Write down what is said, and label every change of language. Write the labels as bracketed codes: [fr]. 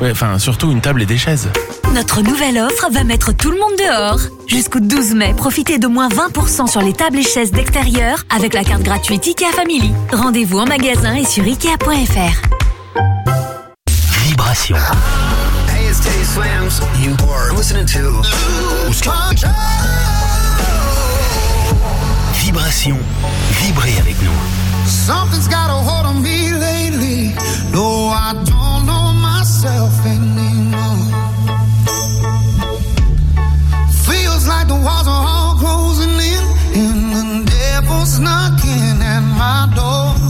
[fr] Ouais, enfin, surtout une table et des chaises. Notre nouvelle offre va mettre tout le monde dehors. Jusqu'au 12 mai, profitez d'au moins 20% sur les tables et chaises d'extérieur avec la carte gratuite IKEA Family. Rendez-vous en magasin et sur IKEA.fr. Vibration. [en] Hey, it's Taylor Swims. You are listening to Loose Control. [fr] Vibration, vibrez avec nous. [en] Something's got a hold on me lately. No, I don't know myself anymore. Feels like the walls are all closing in and the devil's knocking at my door.